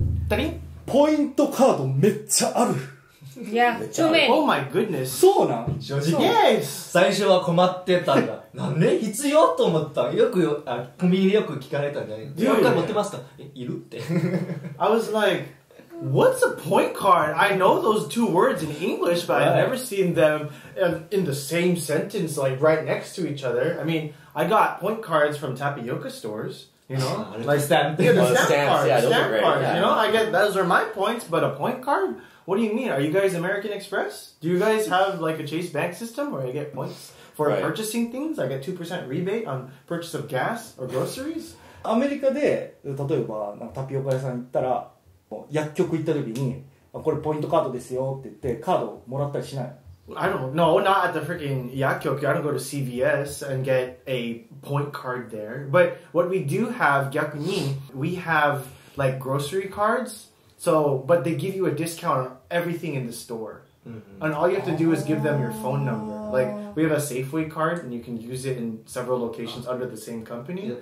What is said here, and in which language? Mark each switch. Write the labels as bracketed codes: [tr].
[ja] ダリン、ポイントカードめっちゃある。いや、 [en] too many。 Oh my goodness。 [ja] そうなん、正直。 [en] Yes。 [ja] 最初は困ってたんだ。なんで必要と思った。よくあ、コンビニでよく聞かれたんじゃない、何回持ってますか。いるって。 [en] I was likeWhat's a point card? I know those two words in English, but I've never seen them in the same sentence, like right next to each other. I mean, I got point cards from tapioca stores, you know? Like stamp, yeah, the stamp cards, yeah, stamp cards, yeah. You know? I get, those are my points, but a point card? What do you mean? Are you guys American Express? Do you guys have like a Chase bank system where you get points for purchasing things? I get 2% rebate on purchase of gas or groceries? [ja] アメリカで、例えばタピオカ屋さん行ったら、薬局行った時にこれポイントカードですよって言ってカードもらったりしない。 [en] I don't know, not at the freaking 薬局。 I don't go to CVS and get a point card there. But what we do have, [ja] 逆に [en] we have like grocery cards. So, but they give you a discount on everything in the store. And all you have to do is give them your phone number. Like, we have a Safeway card and you can use it in several locations under the same company.